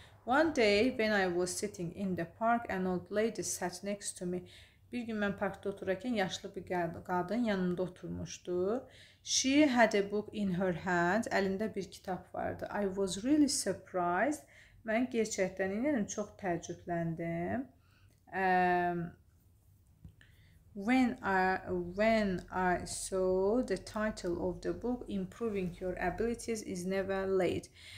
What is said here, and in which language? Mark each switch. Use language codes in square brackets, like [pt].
[en] One day, when I was sitting in the park, an old lady sat next to me. [az] Bir gün mən parkda otururken yaşlı bir qadın yanımda oturmuşdu. [en] She had a book in her hand. [az] Əlində bir kitab vardı. [en] I was really surprised. [az] Mən gerçəkdən inədim, çox təəccübləndim. [en] When I saw the title of the book, Improving Your Abilities is Never Late.